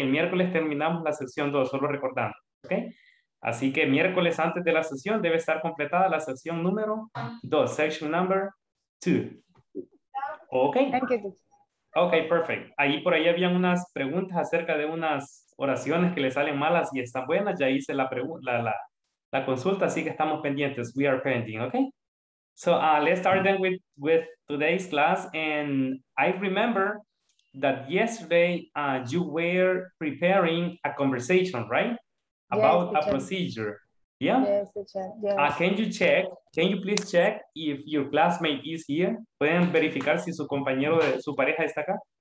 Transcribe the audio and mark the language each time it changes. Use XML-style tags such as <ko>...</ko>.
<es>El miércoles terminamos la sección 2, solo recordando, okay? Así que miércoles antes de la sesión debe estar completada la sesión número 2,</es> <en>section number 2. Okay. Thank you. Okay, perfect.</en> <es>Ahí por ahí habían unas preguntas acerca de unas oraciones que le salen malas y están buenas. Ya hice la consulta, así que estamos pendientes.</es> <en>We are pending, okay? So let's start then with today's class. And I remember that yesterday you were preparing a conversation, right? About yes, a procedure. Yeah? Yes, teacher. Yes. Can you check? Can you please check if your classmate is here?</en> <es>¿Pueden verificar si su compañero, su pareja está acá?</es>